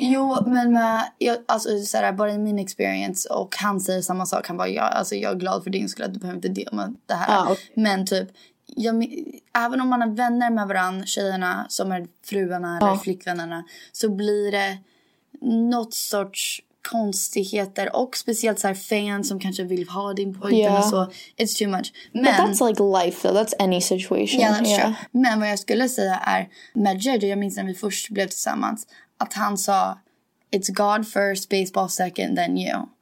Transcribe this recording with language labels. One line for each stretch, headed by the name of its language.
Swedish: Jo, men med, alltså, såhär, bara i min experience, och han säger samma sak, han bara, jag är glad för din skull att du behöver inte dela med det här. Ah, okay. Men typ, även om man är vänner med varann, tjejerna som är fruarna eller flickvännerna, så blir det något sorts konstigheter, och speciellt såhär fans som kanske vill ha din pojk eller så.
English: It's too much. Men, but that's like life though, that's any situation. Yeah, that's true.
Swedish: Men vad jag skulle säga är, med Jerry, jag minns när vi först blev tillsammans, att han sa
English: it's God first, baseball second, then you.